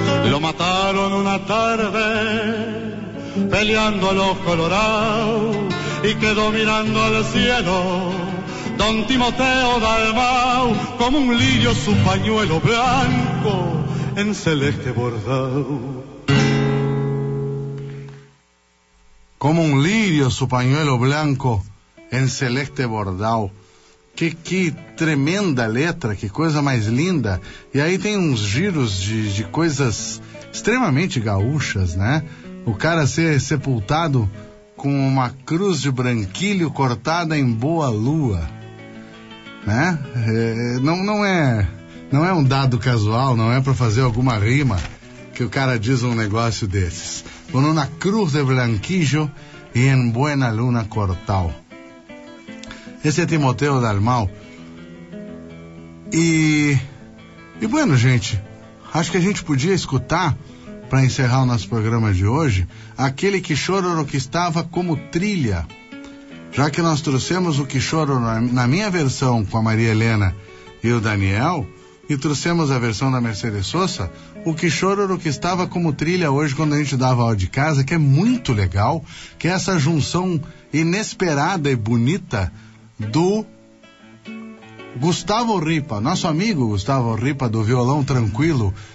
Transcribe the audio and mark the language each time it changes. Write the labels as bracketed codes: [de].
[es] Lo mataron una tarde peleando a los colorados, y quedó mirando al cielo Don Timoteo Dalmau, como un lirio su pañuelo blanco en celeste bordado. Como un lirio su pañuelo blanco en celeste bordado. [pt] Que tremenda letra, que coisa mais linda. E aí tem uns giros de coisas extremamente gaúchas, né? O cara ser sepultado com uma cruz de branquilho cortada em boa lua, né? Não é um dado casual, não é para fazer alguma rima que o cara diz um negócio desses. [es] Con una cruz de blanquillo y en buena luna cortado. [pt] Esse é Timoteo Dalmau. E bueno, gente, acho que a gente podia escutar, para encerrar o nosso programa de hoje, aquele Quixororo que estava como trilha. Já que nós trouxemos o Quixororo na minha versão com a Maria Helena e o Daniel, e trouxemos a versão da Mercedes Sosa, o Quixororo que estava como trilha hoje quando a gente dava aula de casa, que é muito legal, que é essa junção inesperada e bonita do Gustavo Ripa, nosso amigo Gustavo Ripa, do violão tranquilo,